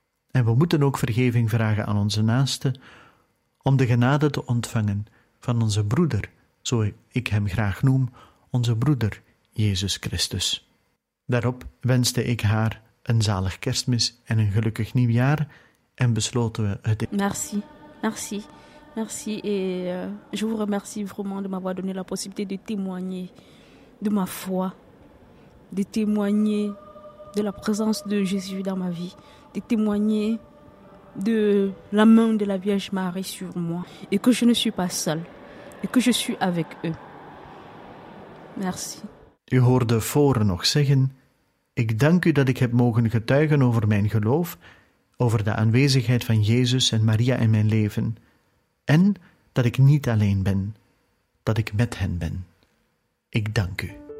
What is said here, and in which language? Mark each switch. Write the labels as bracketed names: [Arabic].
[Dutch] En we moeten ook vergeving vragen aan onze naaste om de genade te ontvangen van onze broeder, zo ik hem graag noem, onze broeder Jezus Christus. Daarop wenste ik haar een zalig kerstmis en een gelukkig nieuwjaar en besloten we het... [French] Merci. Merci et je vous remercie vraiment de m'avoir donné la possibilité de témoigner de ma foi, de témoigner de la présence de Jésus dans ma vie, de témoigner de la main de la Vierge Marie sur moi et que je ne suis pas seule et que je suis avec eux. Merci. [Dutch] U hoorde Fore nog zeggen: ik dank u dat ik heb mogen getuigen over mijn geloof, over de aanwezigheid van Jezus en Maria in mijn leven. En dat ik niet alleen ben, dat ik met hen ben. Ik dank u.